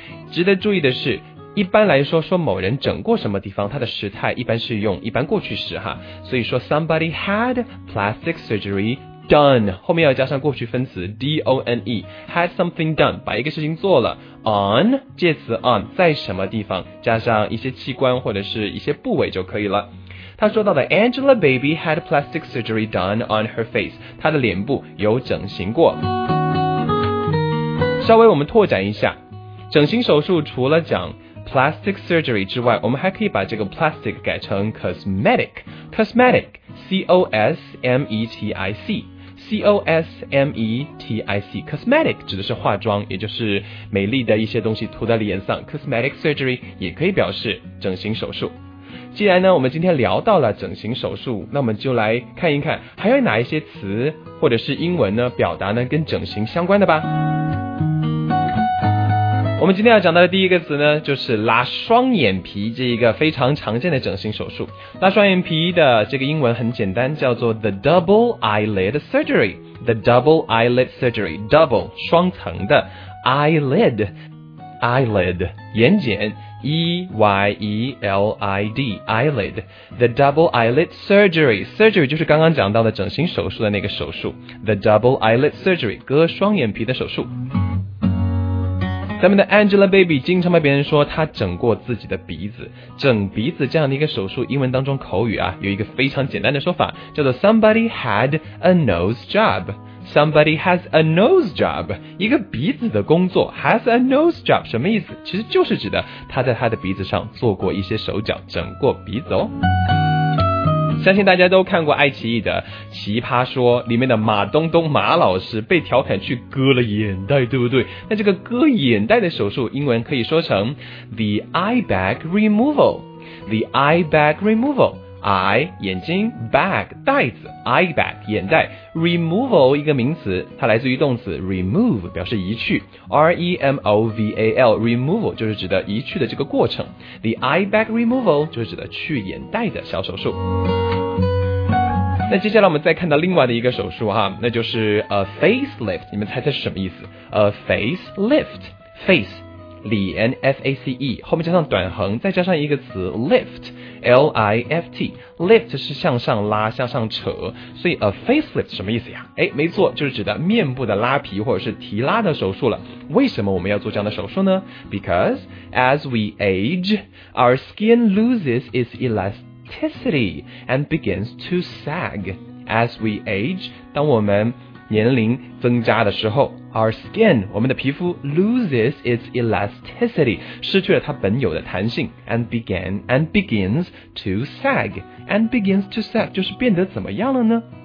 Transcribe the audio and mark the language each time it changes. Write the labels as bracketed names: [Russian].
[Chinese] 值得注意的是，一般来说说某人整过什么地方，它的时态一般是用一般过去时哈，所以说 [English] somebody had plastic surgery done [Chinese] 后面要加上过去分词 done， [English] had something done [Chinese] 把一个事情做了， on 介词 on 在什么地方，加上一些器官或者是一些部位就可以了。 [English] 他说到的 Angelababy had plastic surgery done on her face， [Chinese] 她的脸部有整形过。稍微我们拓展一下，整形手术除了讲 [English] plastic surgery [Chinese] 之外，我们还可以把这个 plastic 改成 cosmetic， cosmetic， C-O-S-M-E-T-I-C， C-O-S-M-E-T-I-C， cosmetic 指的是化妆，也就是美丽的一些东西涂在脸上， [English] cosmetic surgery [Chinese] 也可以表示整形手术。既然呢我们今天聊到了整形手术，那我们就来看一看还有哪一些词或者是英文呢表达呢跟整形相关的吧。我们今天要讲到的第一个词呢就是拉双眼皮，这一个非常常见的整形手术。拉双眼皮的这个英文很简单，叫做 [English] the double eyelid surgery， [Chinese] the double eyelid surgery， double 双层的 eyelid， eyelid 眼睑，E-Y-E-L-I-D eyelid， The double eyelid surgery， surgery 就是刚刚讲到的整形手术的那个手术， The double eyelid surgery， 割双眼皮的手术。咱们的 Angelababy 经常被别人说她整过自己的鼻子，整鼻子这样的一个手术，英文当中口语啊有一个非常简单的说法，叫做 [English] Somebody had a nose job。 Somebody has a nose job， [Chinese] 一个鼻子的工作。 [English] Has a nose job [Chinese] 什么意思？其实就是指的他在他的鼻子上做过一些手脚，整过鼻子哦。相信大家都看过爱奇艺的《奇葩说》里面的马东东马老师被调侃去割了眼袋，对不对？那这个割眼袋的手术英文可以说成 [English] The eye bag removal。 The eye bag removal， [Chinese] eye 眼睛 bag 袋子 eye bag 眼袋 removal 一个名词，它来自于动词 remove， 表示移去 removal， removal 就是指的移去的这个过程。 [English] The eye bag removal [Chinese] 就是指的去眼袋的小手术。那接下来我们再看到另外的一个手术哈，那就是 a facelift， 你们猜猜是什么意思？ [English] a facelift， [Chinese] face脸 F-A-C-E 后面加上短横，再加上一个词 lift L-I-F-T， lift 是向上拉向上扯，所以 a facelift 什么意思呀？诶，没错，就是指的面部的拉皮或者是提拉的手术了。为什么我们要做这样的手术呢？ [English] Because as we age our skin loses its elasticity and begins to sag。 As we age， [Chinese] 当我们年龄增加的时候， [English] our skin [Chinese] 我们的皮肤 [English] loses its elasticity， [Chinese] 失去了它本有的弹性， [English] and begins to sag [Chinese] 就是变得怎么样了呢？